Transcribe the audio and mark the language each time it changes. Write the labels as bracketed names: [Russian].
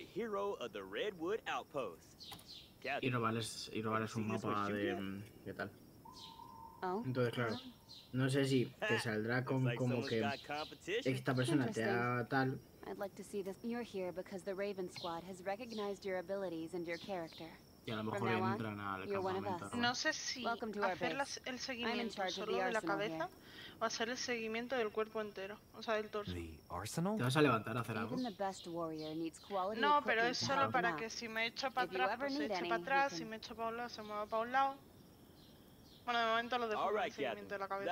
[Spanish] Y robarles un mapa de... ¿qué tal? Entonces, claro, no sé si te saldrá con como que esta persona te haga tal... [English] I'd like to see this. You're here because the Raven Squad has recognized your abilities and your character. From now on, you're one of us. [Spanish] No sé si hacer el seguimiento solo de la cabeza o hacer el seguimiento del cuerpo entero, o sea, del torso. ¿Te vas a levantar a hacer algo? No, pero es solo para que si me echo para atrás, pues se eche para atrás. Si me echo para un lado, se mueva para un lado. Bueno, de momento lo dejo en el seguimiento de la cabeza.